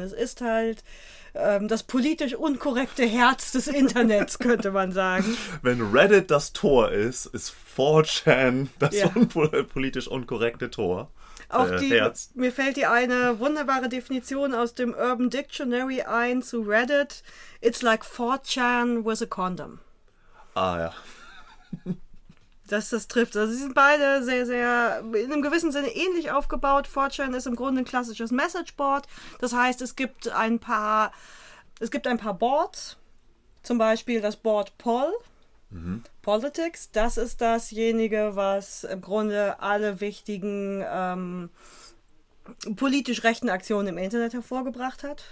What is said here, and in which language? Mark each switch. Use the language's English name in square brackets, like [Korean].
[German] Es ist halt das politisch unkorrekte Herz des Internets, könnte man sagen. Wenn Reddit das Tor ist, ist 4chan das politisch unkorrekte Tor. Auch die, Herz. Mir fällt dir eine wunderbare Definition aus dem Urban Dictionary ein zu Reddit. [English] It's like 4chan with a condom. [German] Ah ja. Das trifft. Also sie sind beide sehr, sehr in einem gewissen Sinne ähnlich aufgebaut. 4chan ist im Grunde ein klassisches Messageboard. Das heißt, es gibt ein paar Boards. Zum Beispiel das Board Poll. Mhm. Politics, das ist dasjenige, was im Grunde alle wichtigen politisch rechten Aktionen im Internet hervorgebracht hat,